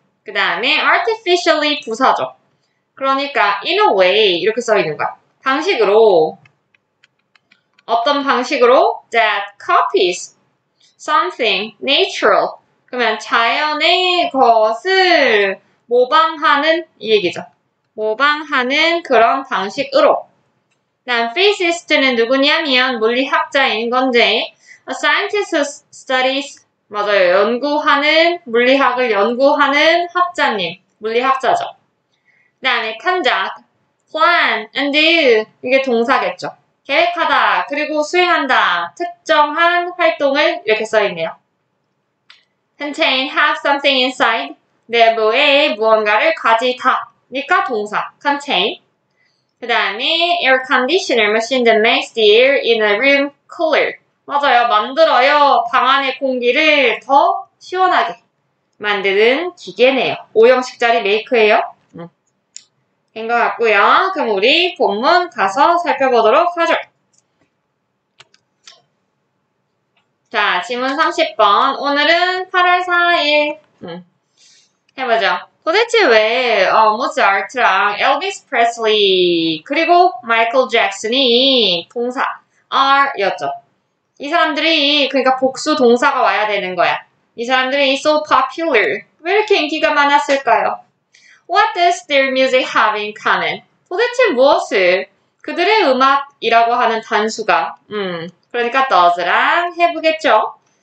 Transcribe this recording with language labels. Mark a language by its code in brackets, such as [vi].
[ko] 그 다음에 artificially 부사죠. 그러니까 [en] in a way [ko] 이렇게 써 있는 거야. 방식으로 어떤 방식으로 [en] that copies something natural. [ko] 그러면 자연의 것을 모방하는 이 얘기죠. 모방하는 그런 방식으로. 난 physicist는 누구냐면 물리학자인 건데, [en] a scientist studies, [ko] 맞아요. 연구하는, 물리학을 연구하는 학자님. 물리학자죠. 그 다음에 [en] conduct, plan, and do. [ko] 이게 동사겠죠. 계획하다, 그리고 수행한다. 특정한 활동을 이렇게 써있네요. [en] contain, have something inside. [ko] 내부에 무언가를 가지다. 니까 동사 contain. 그 다음에 [en] air conditioner machine that makes the air in a room cooler. [ko] 맞아요. 만들어요. 방 안의 공기를 더 시원하게 만드는 기계네요. 5형식짜리 메이크예요. 된것 같고요. 그럼 우리 본문 가서 살펴보도록 하죠. 자, 지문 30번. 오늘은 8월 4일. 해보죠. 도대체 왜 모차르트랑 엘비스 프레슬리 그리고 마이클 잭슨이 동사 are였죠? 이 사람들이 그러니까 복수 동사가 와야 되는 거야. 이 사람들이 [en] so popular [ko] 왜 이렇게 인기가 많았을까요? [en] What does their music have in common? [ko] 도대체 무엇을 그들의 음악이라고 하는 단수가 그러니까 does랑 have겠죠?